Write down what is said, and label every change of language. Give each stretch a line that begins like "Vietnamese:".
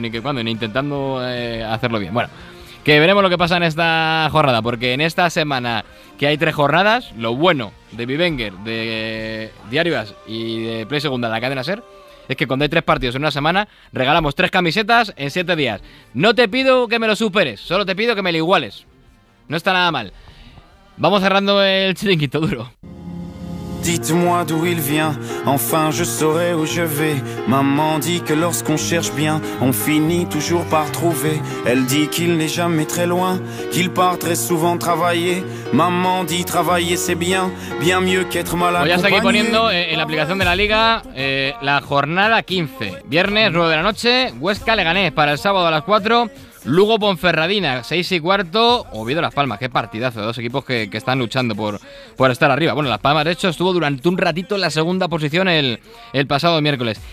Spanish: Ni que cuando, ni intentando hacerlo bien. Bueno, que veremos lo que pasa en esta jornada, porque en esta semana que hay 3 jornadas, lo bueno de Vivenger, de Diario As y de Play Segunda, la cadena SER, es que cuando hay 3 partidos en una semana, regalamos 3 camisetas en 7 días. No te pido que me lo superes, solo te pido que me lo iguales. No está nada mal. Vamos cerrando el chiringuito duro.
French: Dites-moi d'où il vient, enfin je saurai où je vais. Maman dit que lorsqu'on cherche bien, on finit toujours par trouver. Elle dit qu'il n'est jamais très loin, qu'il part très souvent travailler. Maman dit travailler c'est bien, bien mieux qu'être mal accompagné.
Spanish: Pues ya está aquí poniendo en la aplicación de la Liga la jornada 15. Viernes, 9 de la noche, Huesca Leganés para el sábado a las 4. Lugo Ponferradina, 6 y cuarto. Oviedo Las Palmas, qué partidazo. 2 equipos que están luchando por estar arriba. Bueno, Las Palmas de hecho estuvo durante un ratito en la segunda posición el pasado miércoles.